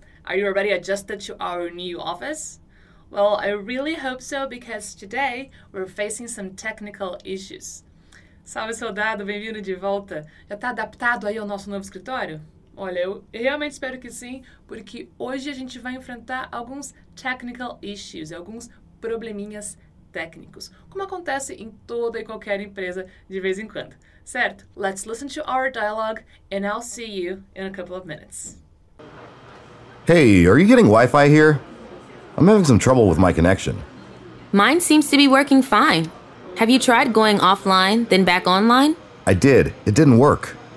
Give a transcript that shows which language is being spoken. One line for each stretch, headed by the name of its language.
English: Are you already adjusted to our new office? Well, I really hope so because today we're facing some technical issues.
Portuguese: Salve, soldado, bem-vindo de volta. Já tá adaptado aí ao nosso novo escritório? Olha, eu realmente espero que sim, porque hoje a gente vai enfrentar alguns technical issues, alguns probleminhas técnicos, como acontece em toda e qualquer empresa de vez em quando. Certo?
English: Let's listen to our dialogue and I'll see you in a couple of minutes. Hey, are you getting Wi-Fi here? I'm having some trouble with my connection. Mine seems to be working fine. Have you tried going offline, then back online? I did. It didn't work.